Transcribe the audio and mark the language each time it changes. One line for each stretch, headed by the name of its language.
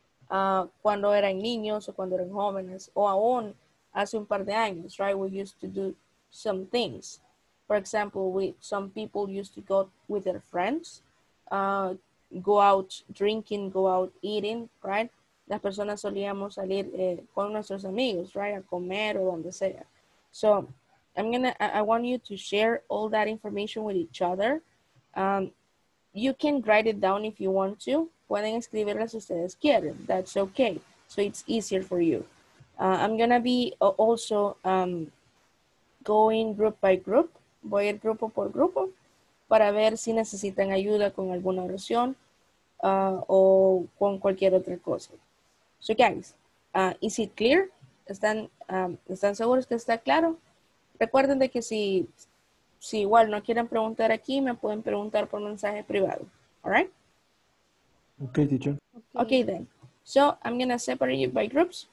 Spanish: Cuando eran niños o cuando eran jóvenes. O aún hace un par de años, right?
English: We used to do some things. For example, some people used to go with their friends, go out drinking, go out eating, right?
Spanish: Las personas solíamos salir con nuestros amigos, right? A comer o donde sea.
English: So I want you to share all that information with each other. You can write it down if you want to.
Spanish: Pueden escribirlas si ustedes quieren.
English: That's okay. So it's easier for you. I'm gonna be also going group by group.
Spanish: Voy a ir grupo por grupo para ver si necesitan ayuda con alguna oración o con cualquier otra cosa.
English: So guys, is it clear?
Spanish: ¿Están seguros que está claro? Recuerden de que si igual no quieren preguntar aquí, me pueden preguntar por mensaje privado.
English: All right? Okay, teacher. Okay, then. So I'm going to separate you by groups.